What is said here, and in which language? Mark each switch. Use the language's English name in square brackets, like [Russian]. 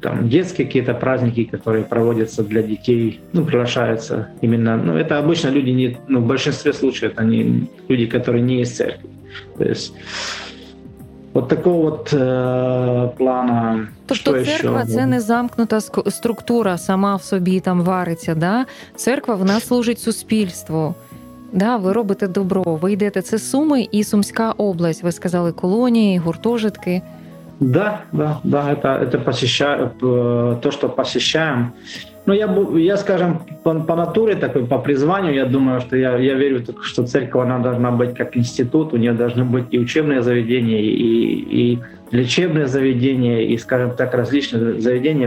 [Russian] Там детские какие-то праздники, которые проводятся для детей, приглашаются именно. Это обычно люди в большинстве случаев они люди, которые не из церкви. То есть вот такого вот плана. То, что [Ukrainian] церква – це не замкнута структура, сама в собі там вариться, да? Церква, вона служить суспільству. Да, ви робите добро, ви йдете. Це Суми і Сумська область, ви сказали, колонії, гуртожитки. Да, це то, що посещаємо. [Russian] Я по натуре такой, по призванию, я думаю, что я верю, что церковь, она должна быть как институт, у нее должны быть и учебные заведения, и лечебные заведения, и, различные заведения.